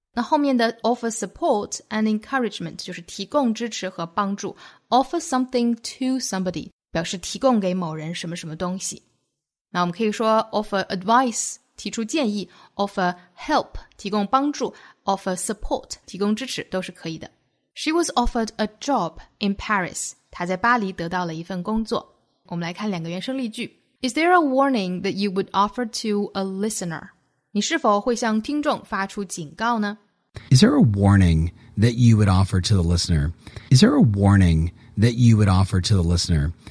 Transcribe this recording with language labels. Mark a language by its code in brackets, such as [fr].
[zh] 那后面的 [en] offer support and encouragement [zh] 就是提供支持和帮助 , [en] offer something to somebody, [zh] 表示提供给某人什么什么东西。那我们可以说 [en] offer advice, [zh] 提出建议 [en] offer help, [zh] 提供帮助 [en] offer support, [zh] 提供支持都是可以的。 [en] She was offered a job in Paris. [zh] 她在巴黎得到了一份工作。我们来看两个原声例句。 [en] Is there a warning that you would offer to a listener? [zh] 你是否会向听众发出警告呢 [en] ?Is there a warning that you would offer to the listener? Is there a warning that you would offer to the listener?